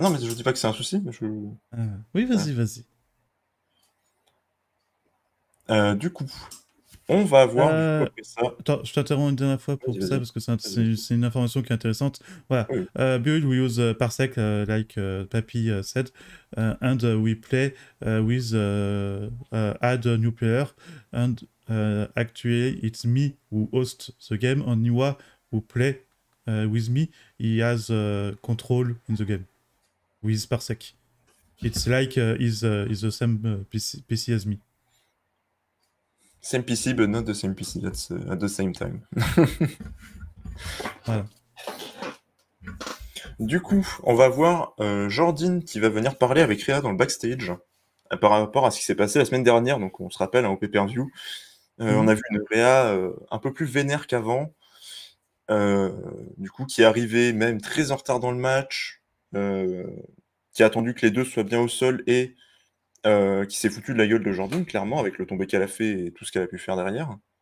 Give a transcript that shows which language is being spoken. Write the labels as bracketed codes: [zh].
[fr] non, mais je dis pas que c'est un souci. Mais je... Oui, vas-y, ouais. Vas-y. Du coup, on va voir. Attends, je t'interromps une dernière fois pour vas-y, ça, vas-y. Parce que c'est une information qui est intéressante. Voilà. Oui. [en] Build, we use Parsec, like Papi said, and we play with add a new player, and actually it's me who host the game, and Niwa who play with me, he has control in the game, with Parsec. It's like he's the same PC as me. Same PC, but not the same PC at the same time. [fr] Voilà. Du coup, on va voir Jordine qui va venir parler avec Rhea dans le backstage par rapport à ce qui s'est passé la semaine dernière. Donc, on se rappelle, hein, au pay-per-view, on a vu une Rhea un peu plus vénère qu'avant, du coup, qui est arrivée même très en retard dans le match, qui a attendu que les deux soient bien au sol et qui s'est foutu de la gueule de Jordine, clairement, avec le tombé qu'elle a fait et tout ce qu'elle a pu faire derrière.